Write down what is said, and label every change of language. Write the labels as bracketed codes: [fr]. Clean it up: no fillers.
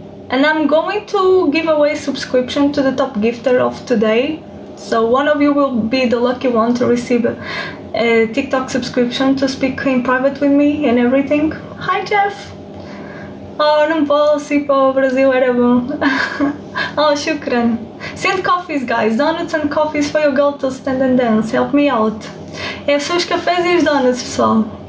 [en] And I'm going to give away subscription to the top gifter of today. So one of you will be the lucky one to receive a TikTok subscription to speak in private with me and everything. Hi, Jeff. [pt] Oh, não posso ir para o Brasil, era bom. [en] Oh, shukran. Send coffees, guys. Donuts and coffees for your girl to stand and dance. Help me out. [pt] É só os cafés e os donuts, pessoal.